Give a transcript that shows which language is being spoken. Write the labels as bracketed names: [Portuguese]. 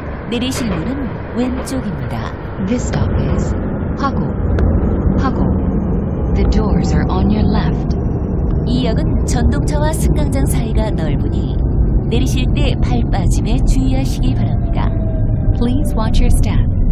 [Korean] 내리실 문은 왼쪽입니다. [English] This stop is 화곡. [Korean] 화곡. [English] The doors are on your left. [Korean] 이 역은 전동차와 승강장 사이가 넓으니 내리실 때 발 빠짐에 주의하시기 바랍니다. [English] Please watch your step.